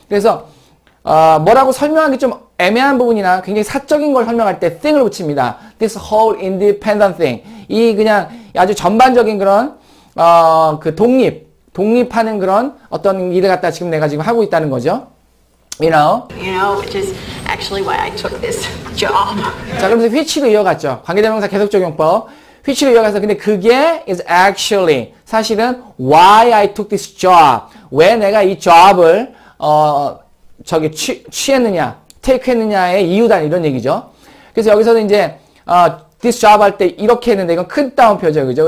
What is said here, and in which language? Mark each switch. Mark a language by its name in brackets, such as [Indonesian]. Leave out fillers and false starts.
[Korean] 그래서 뭐라고 설명하기 좀 애매한 부분이나 굉장히 사적인 걸 설명할 때 thing을 붙입니다. [English] This whole independent thing. [Korean] 이 그냥 아주 전반적인 그런 그 독립. 독립하는 그런 어떤 일을 갖다 지금 내가 지금 하고 있다는 거죠. [English] You know? You know, which is actually why I took this job. [Korean] 자, 그러면서 which로 이어갔죠. 관계대명사 계속적용법. [English] which [Korean] 로 이어가서 근데 그게 [English] is actually, [Korean] 사실은 [English] why I took this job. [Korean] 왜 내가 이 job을 저기 취했느냐, take 했느냐의 이유다 이런 얘기죠. 그래서 여기서는 이제 this job 할 때 이렇게 했는데 이건 큰 따옴표죠. 그죠?